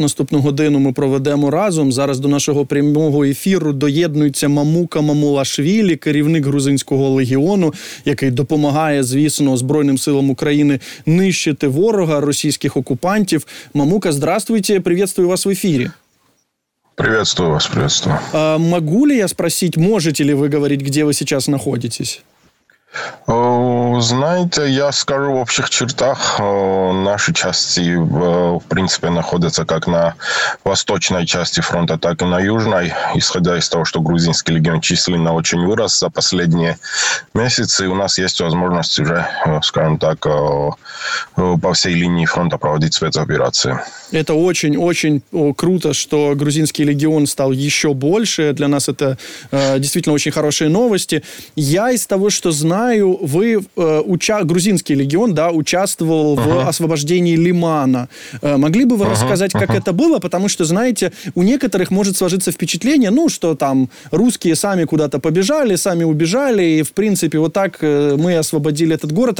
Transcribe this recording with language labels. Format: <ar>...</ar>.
<uk>Наступну годину ми проведемо разом. Зараз до нашого прямого ефіру доєднується Мамука Мамулашвілі, керівник грузинського легіону, який допомагає, звісно, Збройним силам України нищити ворога, російських окупантів.</uk> <ru>Мамука, здравствуйте, приветствую вас в ефірі. Приветствую вас, приветствую. Могу ли я спросить, можете ли вы говорить, где вы сейчас находитесь?</ru> <uk>Знаєте, я скажу</uk> <ru>в общих чертах,</ru> <uk>наші частини, в принципі, знаходяться як на восточній частині фронту, так і на южній, ісходя з того, що грузинський легіон численно дуже вирос за останні місяці, у нас є можливість вже, скажімо так, по всій лінії фронту проводити спецоперації.</uk> <ru>Это очень-очень круто, что грузинский легион стал еще больше. Для нас это действительно очень хорошие новости. Я из того, что знаю, вы, грузинский легион, да, участвовал в освобождении Лимана. Могли бы вы рассказать, как это было? Потому что, знаете, у некоторых может сложиться впечатление, ну, что там русские сами куда-то побежали, сами убежали, и, в принципе, вот так мы освободили этот город.</ru>